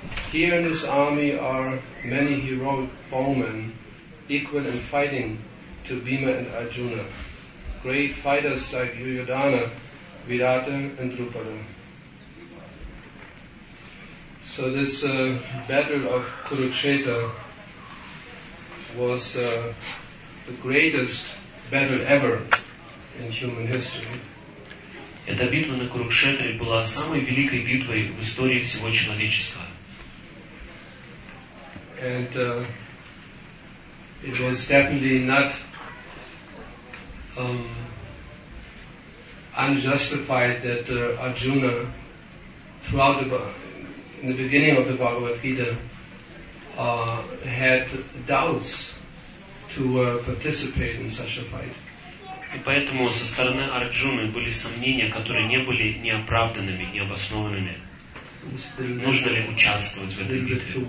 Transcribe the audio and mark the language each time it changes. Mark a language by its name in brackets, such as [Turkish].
[English] Here in this army are many heroic bowmen equal in fighting to Bhima and Arjuna, great fighters like Yuyodhana, Virata and Drupada. So this battle of Kurukshetra was the greatest battle ever in human history. [Russian] Эта битва на Курукшетре была самой великой битвой в истории всего человечества. And it was definitely not unjustified that Arjuna, throughout in the beginning of the Bhagavad Gita, had doubts to participate in such a fight. И поэтому со стороны Арджуны были сомнения, которые не были неоправданными, необоснованными. Нужно ли участвовать в этой битве?